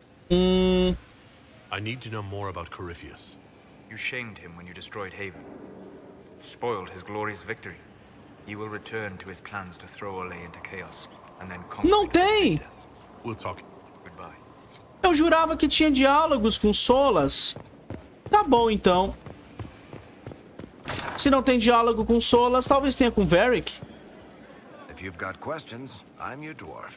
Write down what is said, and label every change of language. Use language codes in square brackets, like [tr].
[en] I need to know more about Corypheus. You shamed him when you destroyed Haven. Spoiled his glorious victory. He will return to his plans to throw Olay into chaos and then conquer. [pt] Não tem. [en] We'll talk. [pt] Eu jurava que tinha diálogos com Solas. Tá bom, então. Se não tem diálogo com Solas, talvez tenha com Varric. [en] If you've got questions, I'm your dwarf.